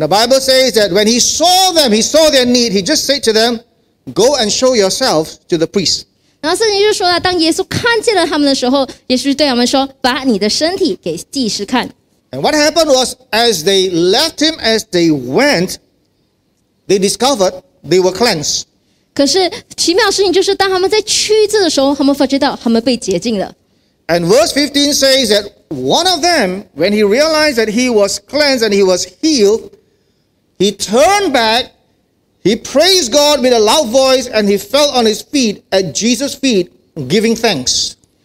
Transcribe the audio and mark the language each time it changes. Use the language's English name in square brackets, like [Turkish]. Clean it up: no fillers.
[English] the Bible says that when he saw them, he saw their need, he just said to them, go and show yourselves to the priest. [Chinese] 然后圣经就说了，当耶稣看见了他们的时候，耶稣对他们说：“把你的身体给祭司看。” [English] And what happened was, as they left him, as they went, they discovered they were cleansed. [Chinese] 可是奇妙的事情就是，当他们在去世的时候，他们发觉到他们被洁净了。 [English] And verse 15 says that one of them, when he realized that he was cleansed and he was healed, he turned back. He praised God with a loud voice and he fell on his feet at Jesus' feet, giving thanks.